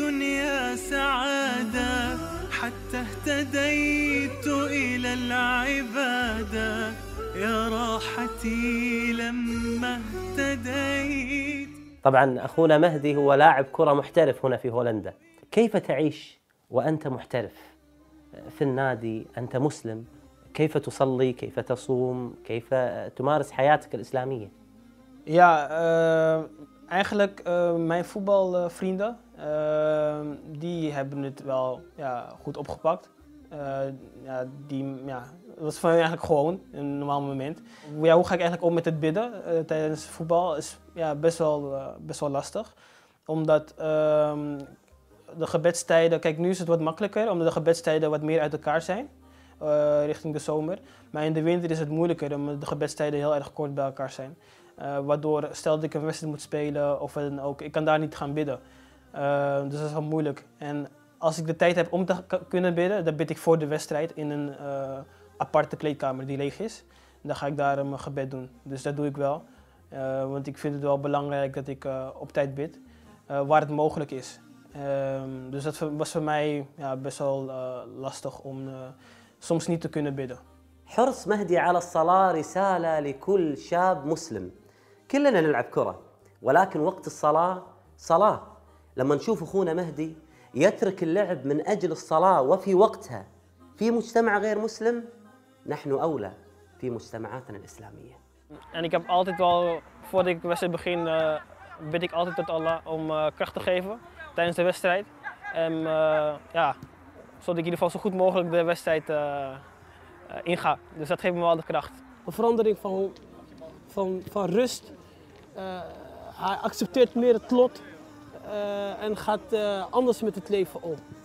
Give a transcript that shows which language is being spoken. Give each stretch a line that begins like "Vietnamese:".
Arabic: حتى اهتديت إلى العبادة يا راحتي لما اهتديت. طبعا أخونا مهدي هو لاعب كرة محترف هنا في هولندا. كيف تعيش وأنت محترف في النادي؟ أنت مسلم، كيف تصلي، كيف تصوم، كيف تمارس حياتك الإسلامية؟
Dutch: يا eigenlijk mijn voetbalvrienden die hebben het wel goed opgepakt. Dat was voor hen eigenlijk gewoon een normaal moment. Ja, hoe ga ik eigenlijk om met het bidden tijdens voetbal is best wel lastig. Omdat de gebedstijden, kijk nu is het wat makkelijker omdat de gebedstijden wat meer uit elkaar zijn richting de zomer. Maar in de winter is het moeilijker omdat de gebedstijden heel erg kort bij elkaar zijn. Waardoor stel dat ik een wedstrijd moet spelen of wat dan ook, ik kan daar niet gaan bidden. Dus dat is wel moeilijk. En als ik de tijd heb om te kunnen bidden, dan bid ik voor de wedstrijd in een aparte kleedkamer die leeg is. En dan ga ik daar mijn gebed doen. Dus dat doe ik wel. Want ik vind het wel belangrijk dat ik op tijd bid, waar het mogelijk is. Dus dat was voor mij best wel lastig om soms niet te kunnen bidden.
Arabic: حرص مهدي على الصلاة رسالة لكل شاب مسلم. كلنا نلعب كرة، ولكن وقت الصلاة صلاة. لما نشوف أخونا مهدي يترك اللعب من أجل الصلاة وفي وقتها في مجتمع غير مسلم، نحن أولى في مجتمعاتنا الإسلامية.
Dutch: يعني ik heb altijd wel voordat ik wedstrijd begin bid ik altijd tot Allah om kracht te geven tijdens de wedstrijd en zodat ik in ieder geval zo goed mogelijk de wedstrijd inga. Dus dat geeft me wel de kracht. Een verandering van rust. Hij accepteert meer het lot en gaat anders met het leven om.